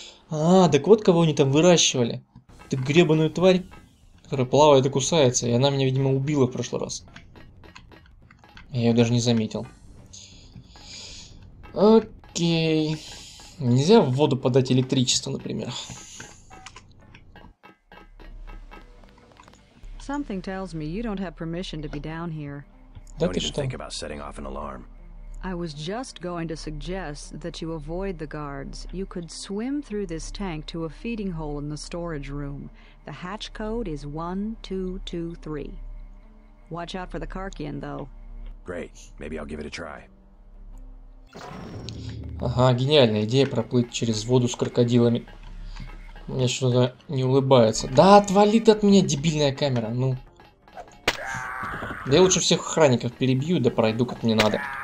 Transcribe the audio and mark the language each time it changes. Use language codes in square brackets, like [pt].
[ru] А, так вот кого они там выращивали. Ты гребаную тварь, которая плавает и кусается. И она меня, видимо, убила в прошлый раз. Я ее даже не заметил. Окей. Нельзя в воду подать электричество, например. [en] Something tells me you don't have permission to be down here. Don't even think about setting off an alarm. I was just going to suggest that you avoid the guards. You could swim through this tank to a feeding hole in the storage room. The hatch code is 1223. Watch out for the Karkian, though. Great. Maybe I'll give it a try. [ru] Ага, гениальная идея проплыть через воду с крокодилами. Мне что-то не улыбается. Да отвали ты от меня, дебильная камера, ну. Да я лучше всех охранников перебью, да пройду как мне надо.